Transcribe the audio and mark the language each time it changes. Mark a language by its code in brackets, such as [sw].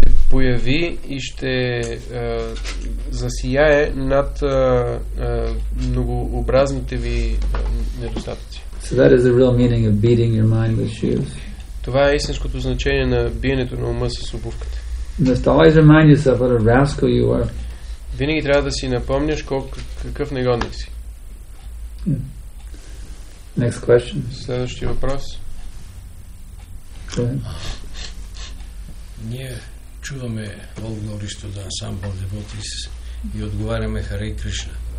[bg] Появи и ще засияе над многообразните ви недостатъци. [en] So that is the real meaning of beating your mind with shoes. [bg] Това е истинското значение на биенето на ума с обувката. [en] You must always remind yourself what a rascal you are. [bg] Винаги трябва да си напомняш какъв негодник си. [en] Next question. [bg] Следващия въпрос. Ние чуваме отговорището на ансамбъл Девотис и отговаряме Харе Кришна.